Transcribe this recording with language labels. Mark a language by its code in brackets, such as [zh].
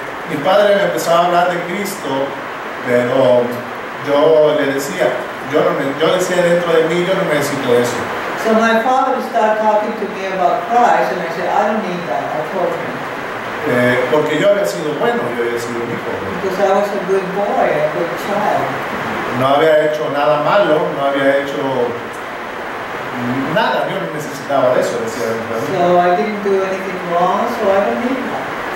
[es] Mi padre me empezaba a hablar de Cristo, pero yo decía dentro de mí, yo no necesito eso. [en] So my father started talking to me about Christ, and I said, I don't need that, I told him. [es] Porque yo había sido bueno, yo había sido un hijo. [en] Because I was a good boy, a good child. [es] No había hecho nada malo, no había hecho nada, yo no necesitaba de eso, decía el padre. [en] So I didn't do anything wrong, so I don't need that.